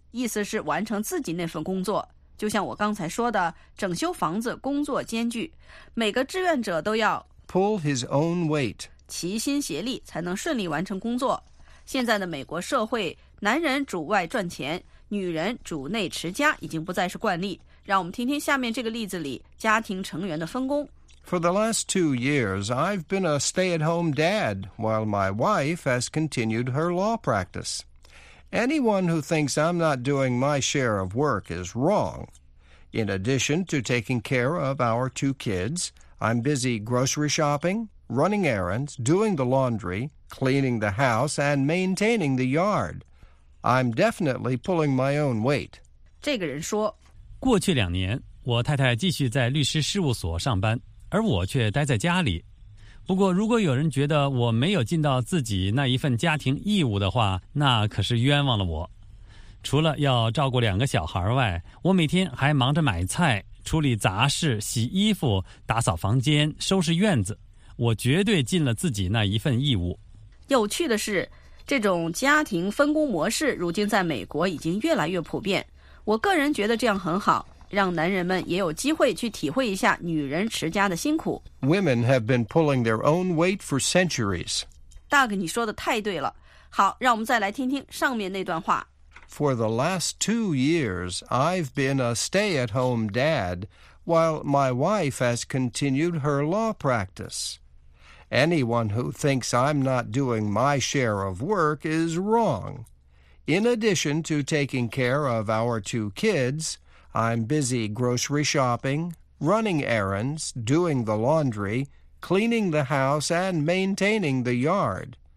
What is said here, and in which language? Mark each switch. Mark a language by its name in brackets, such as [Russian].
[Chinese] 意思是完成自己那份工作，就像我刚才说的，整修房子工作艰巨，每个志愿者都要 [English] pull his own weight， [Chinese] 齐心协力才能顺利完成工作。现在的美国社会，男人主外赚钱，女人主内持家已经不再是惯例。让我们听听下面这个例子里家庭成员的分工。 [English] For the last 2 years, I've been a stay-at-home dad while my wife has continued her law practice. Anyone who thinks I'm not doing my share of work is wrong. In addition to taking care of our 2 kids, I'm busy grocery shopping, running errands, doing the laundry, cleaning the house, and maintaining the yard. I'm definitely pulling my own weight. [Chinese] 这个人说，过去两年，我太太继续在律师事务所上班，而我却待在家里。不过如果有人觉得我没有尽到自己那一份家庭义务的话那可是冤枉了我除了要照顾两个小孩外我每天还忙着买菜处理杂事洗衣服打扫房间收拾院子我绝对尽了自己那一份义务有趣的是这种家庭分工模式如今在美国已经越来越普遍我个人觉得这样很好让男人们也有机会去体会一下女人持家的辛苦。 [English] Women have been pulling their own weight for centuries. [Chinese] Doug, 你说的太对了。好，让我们再来听听上面那段话。 [English] For the last 2 years, I've been a stay-at-home dad, while my wife has continued her law practice. Anyone who thinks I'm not doing my share of work is wrong. In addition to taking care of our two kids, I'm busy grocery shopping, running errands, doing the laundry, cleaning the house, and maintaining the yard.